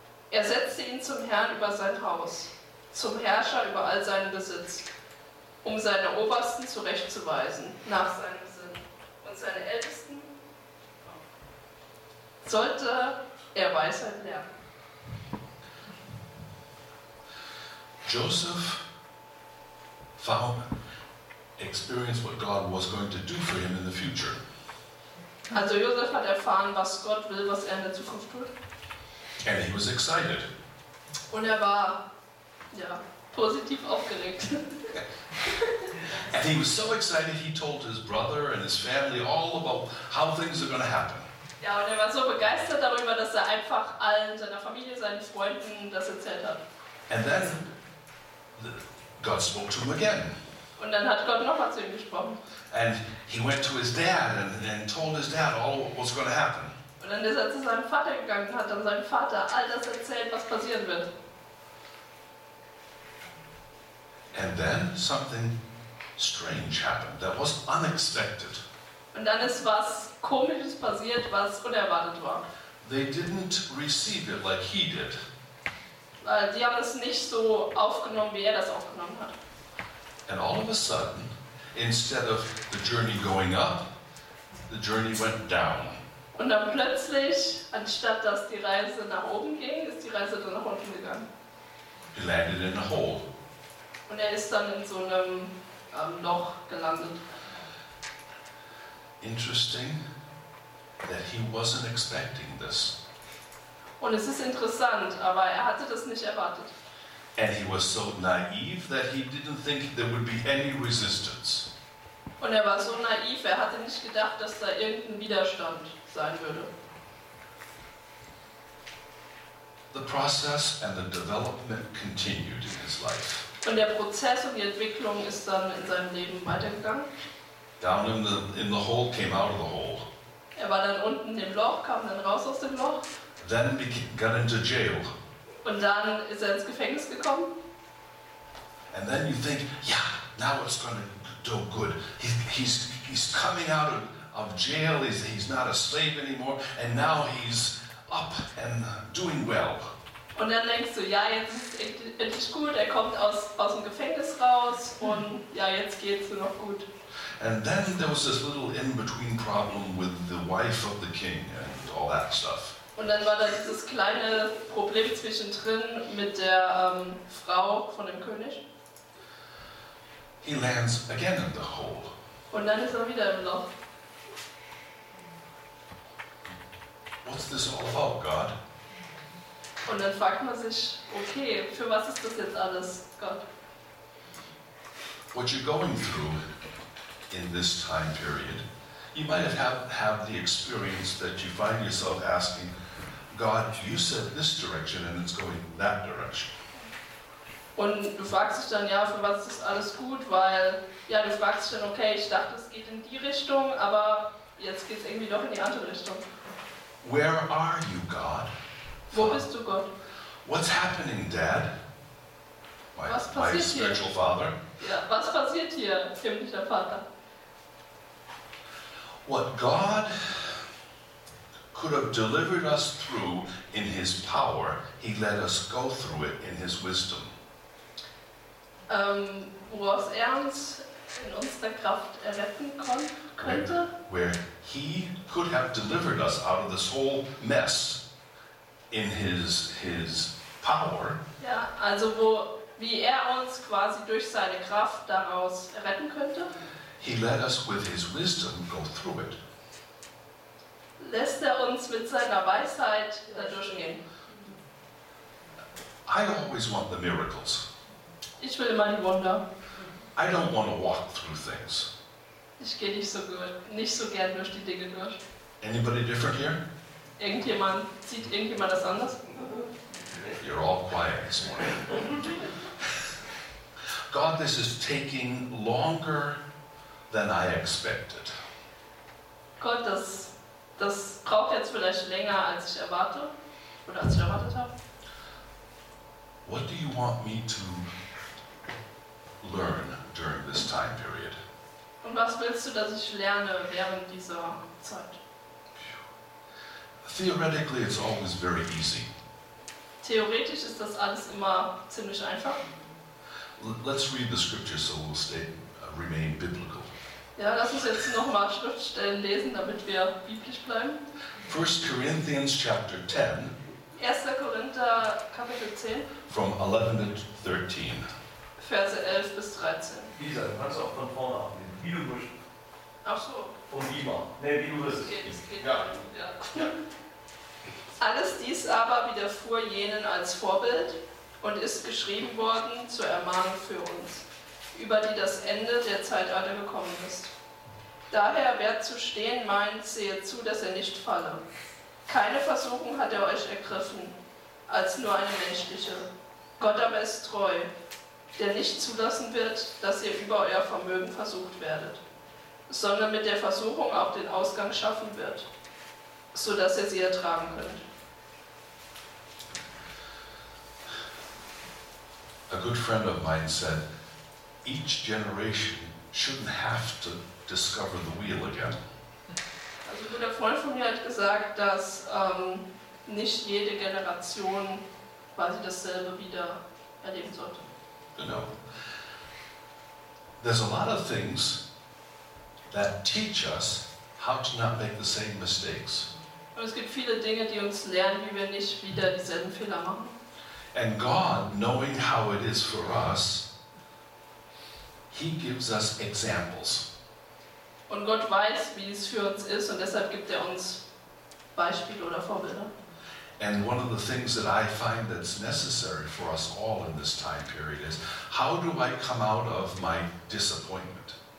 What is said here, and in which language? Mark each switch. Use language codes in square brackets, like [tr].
[de] Er setzte ihn zum Herrn über sein Haus, zum Herrscher über all seinen Besitz, um seine Obersten zurechtzuweisen nach seinem Sinn. Und seine Ältesten sollte er Weisheit lernen. [en] Joseph found, experienced what God was going to do for him in the future. [de] Also Josef hat erfahren, was Gott will, was er in der Zukunft tut. [en] And he was excited. [de] Und er war, ja, positiv aufgeregt. [en] And he was so excited, he told his brother and his family all about how things are going to happen. [de] Ja, und er war so begeistert darüber, dass er einfach allen, seiner Familie, seinen Freunden das erzählt hat. [en] And then God spoke to him again. [de] Und dann hat Gott nochmal zu ihm gesprochen. [en] And he went to his dad and told his dad all what was going to happen. [de] Und dann ist er zu seinem Vater gegangen und hat dann seinem Vater all das erzählt, was passieren wird. [en] And then something strange happened that was unexpected. [de] Und dann ist was Komisches passiert, was unerwartet war. [en] They didn't receive it like he did. [de] Weil die haben es nicht so aufgenommen, wie er das aufgenommen hat. [en] And all of a sudden, instead of the journey going up, the journey went down. [de] Und dann plötzlich, anstatt dass die Reise nach oben ging, ist die Reise dann nach unten gegangen. [en] He landed in a hole. [de] Und ist dann in so einem Loch gelandet. [en] Interesting that he wasn't expecting this. [de] Und es ist interessant, aber hatte das nicht erwartet. [en] And he was so naive that he didn't think there would be any resistance. [de] Und war so naiv, hatte nicht gedacht, dass da irgendein Widerstand sein würde. [en] The process and the development continued in his life. [de] Und Prozess und die Entwicklung ist dann in seinem Leben weitergegangen. [en] Down in the hole, came out of the hole. [de] War dann unten im Loch, kam dann raus aus dem Loch. [en] Then he got into jail. [de] Und dann ist ins Gefängnis gekommen. [en] And then you think, yeah, now it's going to do good. He's coming out of jail. He's not a slave anymore. And now he's up and doing well. [de] Und dann denkst du, ja, jetzt ist endlich gut. Kommt aus dem Gefängnis raus und ja, jetzt geht's nur noch gut. [en] And then there was this little in-between problem with the wife of the king and all that stuff. [de] Und dann war da dieses kleine Problem zwischendrin mit der Frau von dem König. [en] He lands again in the hole. [de] Und dann ist wieder im Loch. [en] What's this all about, God? [de] Und dann fragt man sich, okay, für was ist das jetzt alles, Gott? [en] What you're going through in this time period, you might have the experience that you find yourself asking, God, you said this direction and it's going that direction. [de] Und du fragst dich dann, ja, für was ist das alles gut? Weil, ja, du fragst dich dann, okay, ich dachte, es geht in die Richtung, aber jetzt geht es irgendwie doch in die andere Richtung. [en] Where are you, God? [de] Wo bist du, Gott? [en] What's happening, Dad? [de] Was passiert [en] my spiritual father? [de] Ja, was passiert hier, himmlischer Vater? [en] What God could have delivered us through in his power, he let us go through it in his wisdom. [de] Was uns in unserer Kraft erretten könnte. [en] Where he could have delivered us out of this whole mess in his power. [de] Ja, also wie uns quasi durch seine Kraft daraus retten könnte. [en] He let us with his wisdom go through it. [de] Lässt uns mit seiner Weisheit dadurch gehen. [en] I always want the miracles. [de] Ich will immer die Wunder. [en] I don't want to walk through things. [de] Ich gehe nicht so gern durch die Dinge durch. [en] Anybody different here? [de] Sieht irgendjemand das anders? [en] You're all quiet this morning. God, this is taking longer than I expected. [de] Gott, das braucht jetzt vielleicht länger, als ich erwarte oder als ich erwartet habe. [en] What do you want me to learn during this time period? [de] Und was willst du, dass ich lerne während dieser Zeit? [en] Theoretically, it's always very easy. [de] Theoretisch ist das alles immer ziemlich einfach. [en] Let's read the scripture so we'll remain biblical. [de] Ja, lass uns jetzt nochmal Schriftstellen lesen, damit wir biblisch bleiben. [en] 1 Corinthians chapter 10. [de] 1. Korinther Kapitel 10. [en] From 11 to 13. [de] Verse 11 bis 13. Lisa, du kannst auch von vorne abnehmen. Wie du musst. Ach so. Von Lima. Nee, wie du wirst. Ja. Alles dies aber widerfuhr jenen als Vorbild und ist geschrieben worden zur Ermahnung für uns, über die das Ende der Zeitalter gekommen ist. Daher, wer zu stehen meint, sehe zu, dass nicht falle. Keine Versuchung hat euch ergriffen, als nur eine menschliche. Gott aber ist treu, der nicht zulassen wird, dass ihr über euer Vermögen versucht werdet, sondern mit der Versuchung auch den Ausgang schaffen wird, so dass ihr sie ertragen könnt. [en] A good friend of mine said, each generation shouldn't have to discover the wheel again. [de] Also ein guter Freund von mir hat gesagt, dass nicht jede Generation quasi dasselbe wieder erleben sollte. Genau. [en] There's a lot of things that teach us how to not make the same mistakes. [de] Und es gibt viele Dinge, die uns lernen, wie wir nicht wieder dieselben Fehler machen. [en] And God, knowing how it is for us, he gives us examples. [de] Und Gott weiß, wie es für uns ist, und deshalb gibt er uns Beispiele oder Vorbilder. [en] And one of the things that I find that's necessary for us all in this time period is, how do I come out of my disappointment?